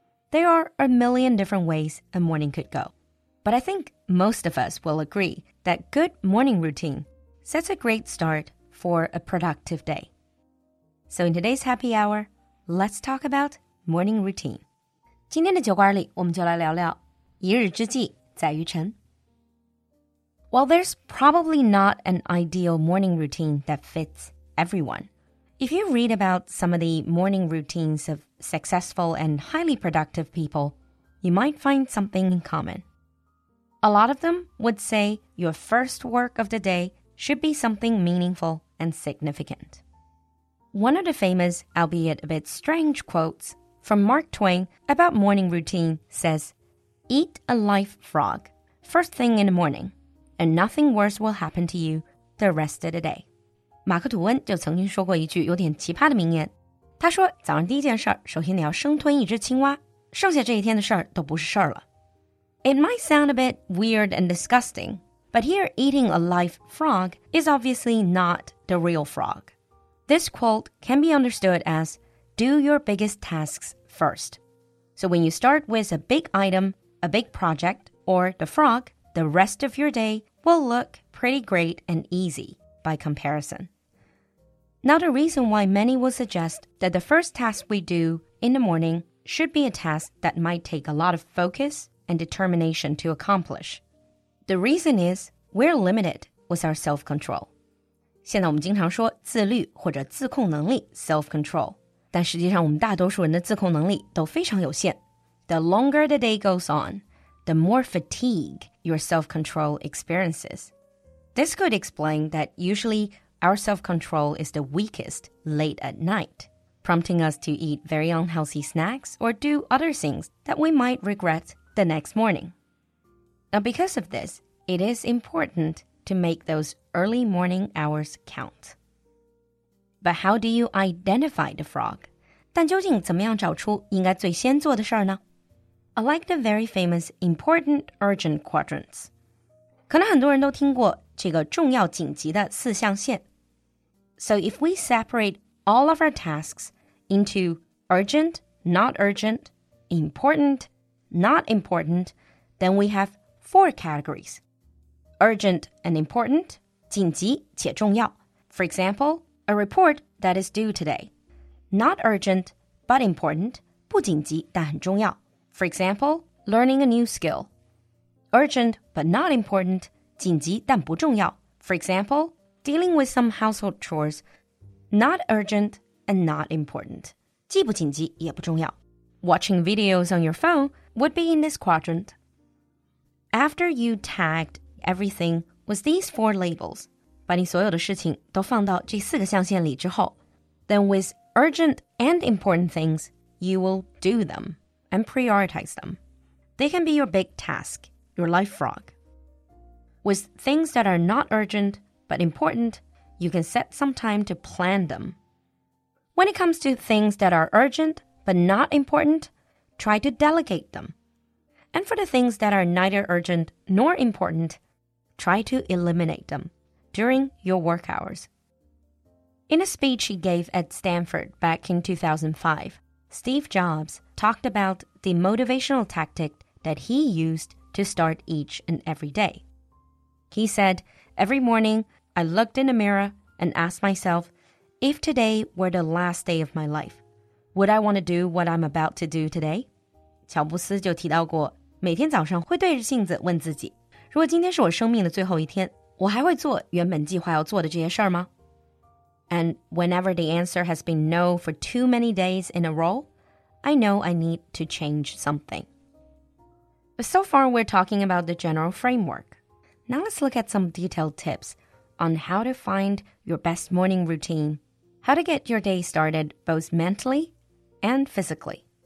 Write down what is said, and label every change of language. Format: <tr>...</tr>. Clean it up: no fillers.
<en>There are a million different ways a morning could go. But I think most of us will agree that good morning routine sets a great start for a productive day. So in today's happy hour, let's talk about morning routine.</en> <zh>今天的酒馆里我们就来聊聊一日之计在于晨。</zh> <en>While there's probably not an ideal morning routine that fits everyone, if you read about some of the morning routines of successful and highly productive people, you might find something in common. A lot of them would say your first work of the day should be something meaningful and significant. One of the famous, albeit a bit strange, quotes from Mark Twain about morning routine says, Eat a live frog first thing in the morning, and nothing worse will happen to you the rest of the day.</en> <zh>马克吐温就曾经说过一句有点奇葩的名言。他说早上第一件事儿，首先你要生吞一只青蛙，剩下这一天的事儿都不是事儿了。</zh> <en>It might sound a bit weird and disgusting, but here eating a live frog is obviously not the real frog. This quote can be understood as, do your biggest tasks first. So when you start with a big item, a big project, or the frog, the rest of your day will look pretty great and easy by comparison. Now the reason why many will suggest that the first task we do in the morning should be a task that might take a lot of focus,and determination to accomplish. The reason is, we're limited with our self-control.</en> <zh>现在我们经常说自律或者自控能力 self-control, 但实际上我们大多数人的自控能力都非常有限。</zh> <en>The longer the day goes on, the more fatigue your self-control experiences. This could explain that usually our self-control is the weakest late at night. Prompting us to eat very unhealthy snacks or do other things that we might regret the next morning. Now, because of this, it is important to make those early morning hours count. But how do you identify the frog?</en> <zh>但究竟怎么样找出应该最先做的事儿呢?</zh> <en>I like the very famous important urgent quadrants.</en> <zh>可能很多人都听过这个重要紧急的四象限。</zh> <en>So if we separate... all of our tasks into urgent, not urgent, important, not important, then we have four categories. Urgent and important,</en> <zh>紧急且重要。</zh> <en>For example, a report that is due today. Not urgent, but important,</en> <zh>不紧急但很重要。</zh> <en>For example, learning a new skill. Urgent, but not important,</en> <zh>紧急但不重要。</zh> <en>For example, dealing with some household chores,Not urgent and not important.</en> <zh>既不紧急也不重要。</zh> <en>Watching videos on your phone would be in this quadrant. After you tagged everything with these four labels,</en> <zh>把你所有的事情都放到这四个象限里之后</zh> <en>then with urgent and important things, you will do them and prioritize them. They can be your big task, your life frog. With things that are not urgent but important,You can set some time to plan them. When it comes to things that are urgent but not important, try to delegate them. And for the things that are neither urgent nor important, try to eliminate them during your work hours. In a speech he gave at Stanford back in 2005, Steve Jobs talked about the motivational tactic that he used to start each and every day. He said, "Every morning, I looked in the mirror and asked myself, if today were the last day of my life, would I want to do what I'm about to do today?"</en> <zh>乔布斯就提到过，每天早上会对着镜子问自己，如果今天是我生命的最后一天，我还会做原本计划要做的这些事儿吗？</zh> <en>And whenever the answer has been no for too many days in a row, I know I need to change something. But so far, we're talking about the general framework. Now let's look at some detailed tips on how to find your best morning routine, how to get your day started both mentally and physically.</en>